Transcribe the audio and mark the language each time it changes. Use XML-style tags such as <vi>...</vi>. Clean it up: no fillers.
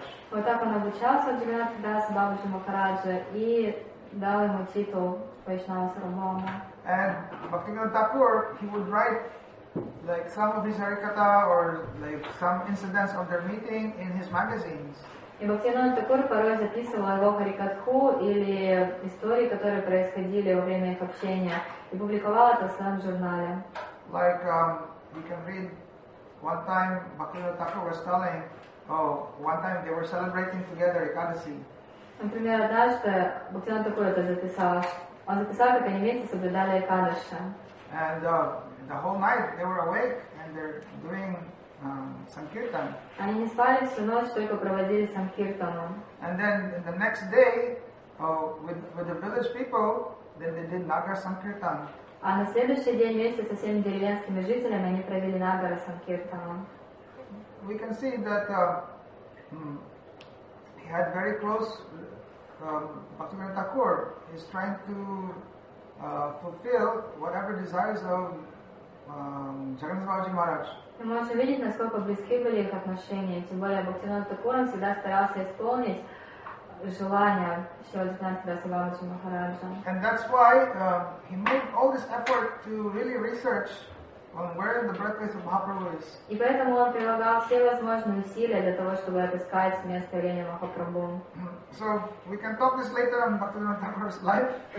<ru>Вот так он обучался в Джаганнатха Дас Бабаджи Махараджа и дал ему титул Вайшнава Сарвабхаума.</ru> <en>And Bhaktivinoda Thakur, he would write like some of his harikatha or like some incidents of their meeting in his magazines.</en> <ru>И Бхактивинода Такур порой записывал его харикатху или истории, которые происходили во время их общения, и публиковал это в своем журнале.</ru> <en>Like you can read one time Bhaktivinoda Thakur was telling. Oh, one time they were celebrating together Ekadasi.</en> <ru>Например, однажды Бхактивинода Такур это записал. Он записал, как они вместе соблюдали Экадаши.</ru> <en>And the whole night they were awake and they're doing sankirtan.</en> <ru>Они не спали всю ночь, только проводили санкиртану.</ru> <en>And then the next day, with the village people, then they did nagara sankirtan.</en> <ru>А на следующий день вместе со всеми деревенскими жителями они провели нагара санкиртану.</ru> <en>We can see that he had very close Bhaktivinoda Thakur is trying to fulfill whatever desires of Jagannath Babaji Maharaj.</en> <ru>Мы можем видеть, насколько близки были их отношения. Тем более Бхактивинода Такур всегда старался исполнить желания Шриладхинатха Даса Бабаджи Махараджа.</ru> <en>And that's why he made all this effort to really research on where the birthplace of Mahaprabhu is.</en> <ru>И поэтому он прилагал все возможные усилия для того, чтобы отыскать место явления Махапрабху.</ru> <en>So we can talk this later on Bhaktivinoda Thakur's life.</en>